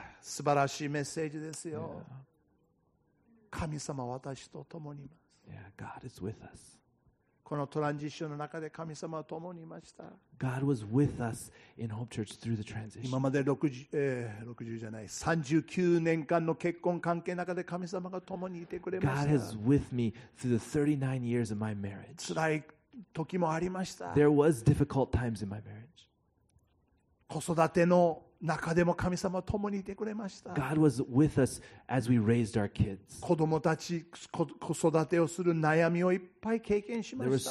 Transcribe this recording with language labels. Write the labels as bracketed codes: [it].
[ja] 素晴らしいメッセージですよ。神様私と共にいます。 [en] Yeah, God is with us. [ja] このトランジションの中で神様は共にいました。 [en] God was with us in Hope Church through the transition. [ja] 今まで39年間の結婚関係の中で神様が共にいてくれました。 [en] God is with me through the 39 years of my marriage. [ja] 辛い時もありました。 [en] There was difficult times in my marriage. [ja] 子育ての中でも神様は共にいてくれました。 [en] God was with us as we raised our kids. [ja] 子供たち子育てをする悩みをいっぱい経験しました。